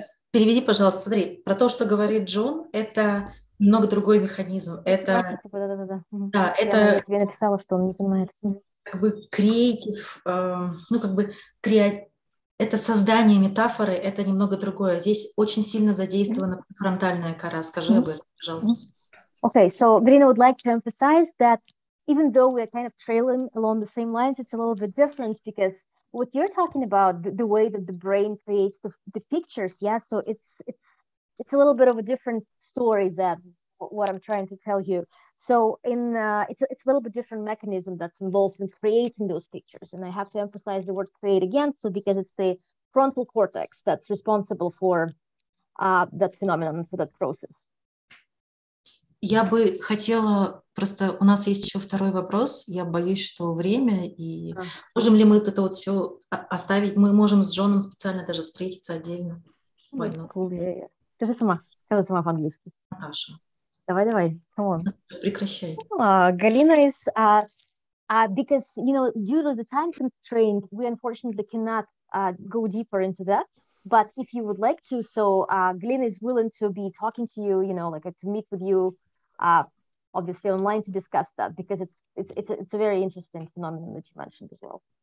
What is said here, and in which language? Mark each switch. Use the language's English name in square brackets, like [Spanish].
[Russian] Переведи, пожалуйста, смотри, про то, что говорит Джон, это немного другой механизм. Это, да, это, я тебе написала, что он не понимает. Как бы креатив, ну как бы креатив, это создание метафоры, это немного другое. Здесь очень сильно задействована фронтальная кора. Скажи об этом, пожалуйста. [English] Okay, so Verena would like to emphasize that even though we are kind of trailing along the same lines, it's a little bit different because what you're talking about, the way that the brain creates the pictures, yeah, so it's a little bit of a different story than what I'm trying to tell you. So it's a little bit different mechanism that's involved in creating those pictures. And I have to emphasize the word create again, so because it's the frontal cortex that's responsible for that phenomenon, for that process. [Russian] Я бы хотела, просто у нас есть еще второй вопрос, я боюсь, что время, и можем ли мы это вот все оставить, мы можем с Джоном специально даже встретиться отдельно. Скажи сама, по-английски. Наташа. Давай, [English] come on. [Russian] Прекращай. [English] Галина is, because, you know, due to the time constraint, we unfortunately cannot go deeper into that. But if you would like to, so Glenn is willing to be talking to you, you know, like to meet with you, obviously online to discuss that because it's a very interesting phenomenon that you mentioned as well.